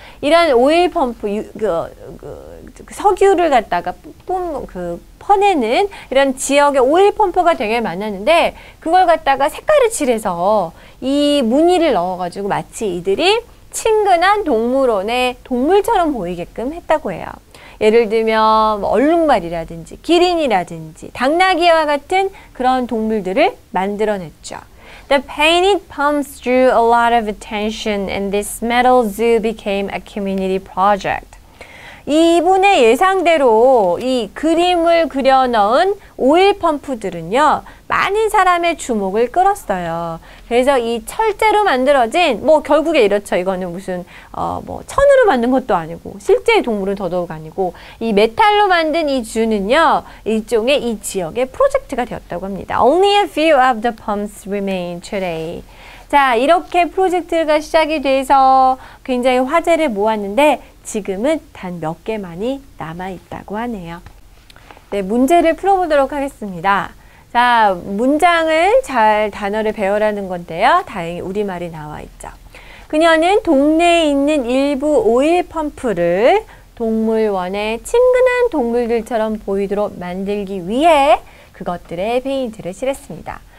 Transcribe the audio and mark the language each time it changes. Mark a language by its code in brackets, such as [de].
[ko] 이런 오일 펌프, 석유를 갖다가 퍼내는 이런 지역의 오일 펌프가 되게 많았는데, 그걸 갖다가 색깔을 칠해서 이 무늬를 넣어가지고 마치 이들이 친근한 동물원의 동물처럼 보이게끔 했다고 해요. 예를 들면, 얼룩말이라든지, 기린이라든지, 당나귀와 같은 그런 동물들을 만들어냈죠. [en] The painted pumps drew a lot of attention, and this metal zoo became a community project. [ko] 이분의 예상대로 이 그림을 그려놓은 오일 펌프들은요, 많은 사람의 주목을 끌었어요. 그래서 이 철제로 만들어진, 뭐, 결국에 이렇죠. 이거는 무슨, 뭐, 천으로 만든 것도 아니고, 실제 동물은 더더욱 아니고, 이 메탈로 만든 이 주는요, 일종의 이 지역의 프로젝트가 되었다고 합니다. [en] Only a few of the pumps remain today. [ko] 자, 이렇게 프로젝트가 시작이 돼서 굉장히 화제를 모았는데, 지금은 단몇 개만이 남아있다고 하네요. 네, 문제를 풀어보도록 하겠습니다. 자, 문장을 잘 단어를 배열하는 건데요. 다행히 우리말이 나와 있죠. 그녀는 동네에 있는 일부 오일 펌프를 동물원의 친근한 동물들처럼 보이도록 만들기 위해 그것들의 페인트를 칠했습니다.